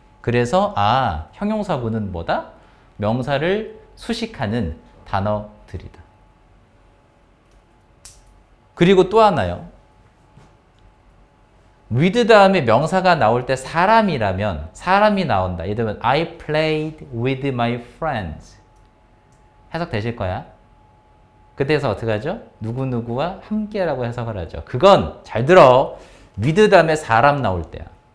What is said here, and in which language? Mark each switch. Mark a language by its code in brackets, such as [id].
[ko] 그래서 아, 형용사구는 뭐다? 명사를 수식하는 단어들이다. 그리고 또 하나요. with 다음에 명사가 나올 때 사람이라면 사람이 나온다. 예를 들면 [en] I played with my friends. [ko] 해석 되실 거야. 그때에서 어떻게 하죠? 누구누구와 함께 라고 해석을 하죠. 그건 잘 들어. with 다음에 사람 나올 때야.